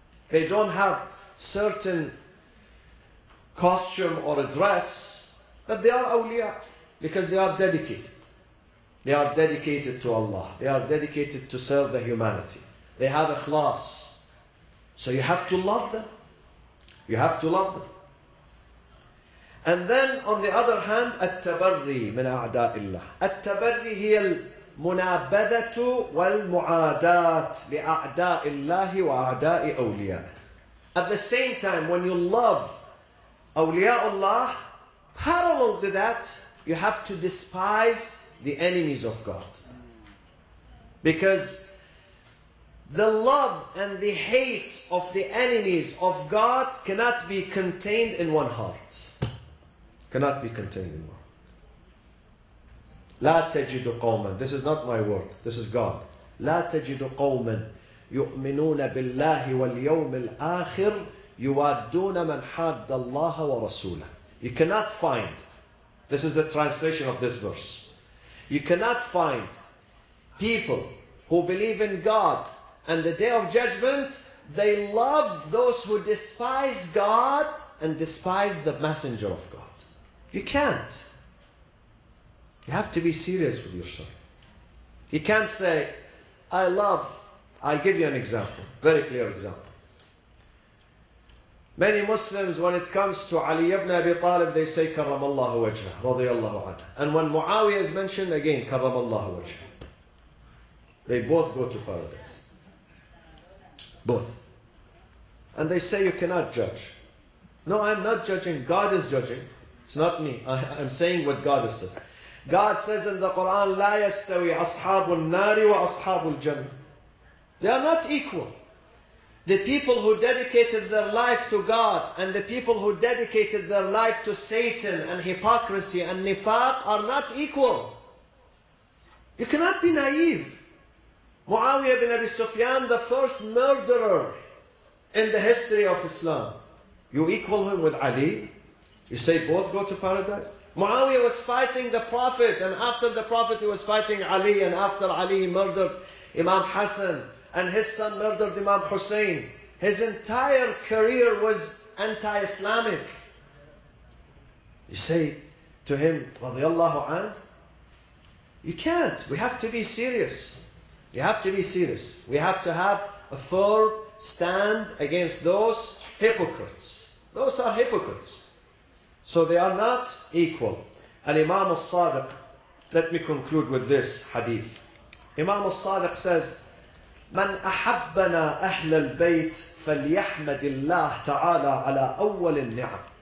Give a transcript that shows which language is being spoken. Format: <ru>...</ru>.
<en>They don't have certain costume or a dress, but they are awliya because they are dedicated. They are dedicated to Allah. They are dedicated to serve the humanity. They have ikhlas. So you have to love them. You have to love them. And then on the other hand,</en> <ar>التبري من أعداء الله. التبري هي المنابذة والمعاداة لأعداء الله وأعداء أولياء.</ar> <en>At the same time, when you love awliya Allah, parallel to that, you have to despise the enemies of God. Because the love and the hate of the enemies of God cannot be contained in one heart. Cannot be contained in one.</en> <ar>لا تجد قوما.</ar> <en>This is not my word. This is God.</en> <ar>لا تجد قوما يؤمنون بالله واليوم الآخر يوادون من حاد الله ورسوله.</ar> <en>You cannot find. This is the translation of this verse. You cannot find people who believe in God and the Day of Judgment. They love those who despise God and despise the Messenger of God. You can't. You have to be serious with yourself. You can't say, I love. I'll give you an example, very clear example. Many Muslims, when it comes to Ali ibn Abi Talib, they say, Karramallahu wajhah, radiyallahu anhu. And when Muawiyah is mentioned, again, Karramallahu wajhah. They both go to paradise. Both. And they say, you cannot judge. No, I'm not judging. God is judging. It's not me. I'm saying what God is saying. God says in the Quran,</en> <ar>لا يستوي أصحاب النار وأصحاب الجنة.</ar> <en>They are not equal. The people who dedicated their life to God and the people who dedicated their life to Satan and hypocrisy and nifaq are not equal. You cannot be naive. Muawiyah ibn Abi Sufyan, the first murderer in the history of Islam. You equal him with Ali? You say both go to paradise? Muawiyah was fighting the Prophet, and after the Prophet he was fighting Ali, and after Ali he murdered Imam Hassan. And his son murdered Imam Hussein. His entire career was anti-Islamic. You say to him, radiyallahu anhu, you can't. We have to be serious. You have to be serious. We have to have a firm stand against those hypocrites. Those are hypocrites. So they are not equal. And Imam al-Sadiq, let me conclude with this hadith. Imam al-Sadiq says,</en> <ar>من أحبنا أهل البيت فليحمد الله تعالى على أول النعم.</ar>